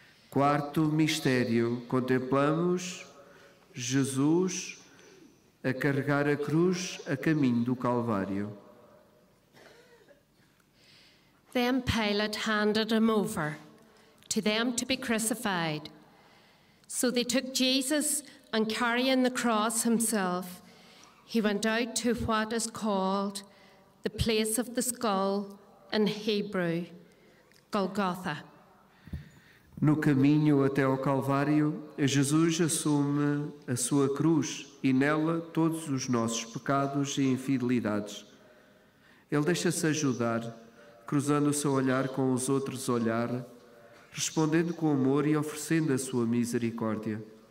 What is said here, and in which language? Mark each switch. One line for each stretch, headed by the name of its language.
Portuguese: Quarto mistério, contemplamos Jesus a carregar a cruz a caminho do Calvário.
English: Then Pilate handed him over to them to be crucified. So they took Jesus and carrying the cross himself, he went out to what is called the place of the skull in Hebrew, Golgotha.
Portuguese: No caminho até ao Calvário, Jesus assume a sua cruz e nela todos os nossos pecados e infidelidades. Ele deixa-se ajudar, cruzando o seu olhar com os outros olhar, respondendo com amor e oferecendo a sua misericórdia.